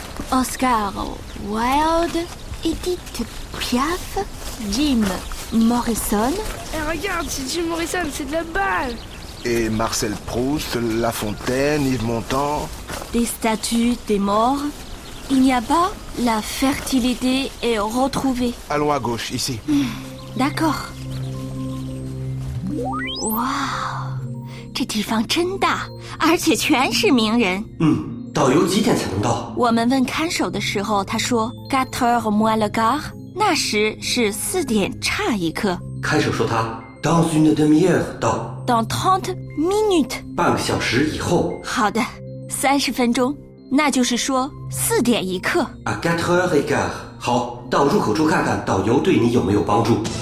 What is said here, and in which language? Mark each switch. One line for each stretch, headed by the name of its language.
French: Oscar Wilde, Edith Piaf, Jim Morrison. Hey, regarde, c'est Jim Morrison, c'est de la balle! Et Marcel Proust, La Fontaine, Yves Montand. Des statues, des morts. Il n'y a pas la fertilité est retrouvée. Allons à gauche, ici. D'accord.
Chinese: Waouh, 这地方真大，而且全是名人。导游几点才能到？我们问看守的时候，他说
French: 4h moins le quart，
Chinese: 那时是四点差一刻。看守说他
French: dans une demi-heure
Chinese: 到。
French: Dans 30 minutes.
Chinese: 半个小时以后。好的，30分钟，那就是说4点一刻。
French: À 4h15.
Chinese: 好，到入口处看看导游对你有没有帮助。